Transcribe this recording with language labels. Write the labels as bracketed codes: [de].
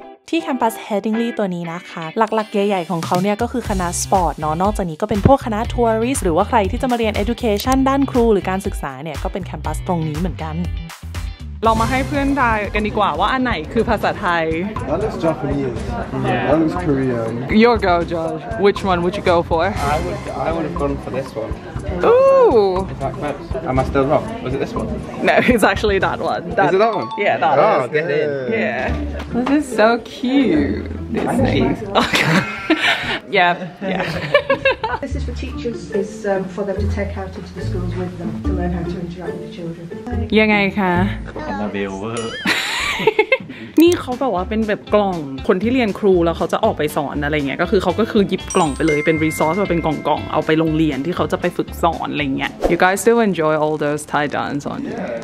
[th] ที่แคมปัสแฮดดิงลีย์ตัวนี้นะคะหลักๆใหญ่ๆของเขาเนี่ยก็คือคณะสปอร์ตเนาะนอกจากนี้ก็เป็นพวกคณะทัวริสหรือว่าใครที่จะมาเรียน education ด้านครูหรือการศึกษาเนี่ยก็เป็นแคมปัสตรงนี้เหมือนกัน เรามาให้เพื่อนทายกันดีกว่าว่าอันไหนคือภาษาไทย [en] That looks Japanese. Yeah. That looks Korean. Your go, Josh. Which one would you go for? I would have gone for this one. Ooh. Am I still wrong? Was it this one? No, it's actually that one. Is it that one? Yeah, that one. Oh, get in. Yeah. This is so cute. This thing. Okay. Yeah. Yeah. This is for teachers. It's for them to take out into the schools with them to learn how to interact with the children. [th] ยังไงคะ Annabelle เวอร์นี่เขาแบบว่าเป็นแบบกล่องคนที่เรียนครูแล้วเขาจะออกไปสอนอะไรเงี้ยก็คือเขาก็คือหยิบกล่องไปเลยเป็นรีซอร์สมาเป็นกล่องกล่องเอาไปโรงเรียนที่เขาจะไปฝึกสอนอะไรเงี้ย [en] You guys still enjoy all those Thai dance on you?